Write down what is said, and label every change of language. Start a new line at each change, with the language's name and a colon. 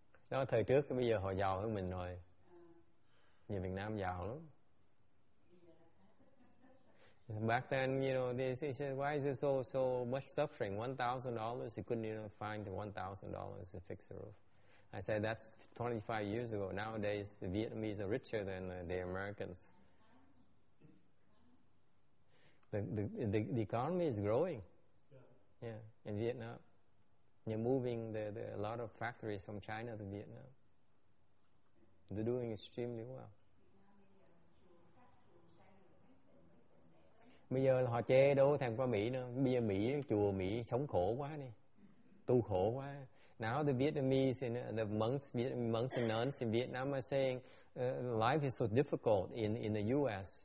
Vietnamese: Đó thời trước, bây giờ họ giàu hơn mình rồi. Người Việt Nam giàu lắm.
English: Back then, you know, they said, why is there so much suffering? $1,000, you couldn't even find $1,000 to fix the roof. I said, that's 25 years ago. Nowadays, the Vietnamese are richer than the Americans. The economy is growing. Yeah, in Vietnam. They're moving the a lot of factories from China to Vietnam. They're doing extremely well.
Vietnamese: Bây giờ họ chê đâu có thèm qua Mỹ nữa. Bây giờ Mỹ, chùa Mỹ sống khổ quá đi. Tu khổ quá.
English: Now the Vietnamese, and the monks and nuns in Vietnam are saying life is so difficult in the U.S.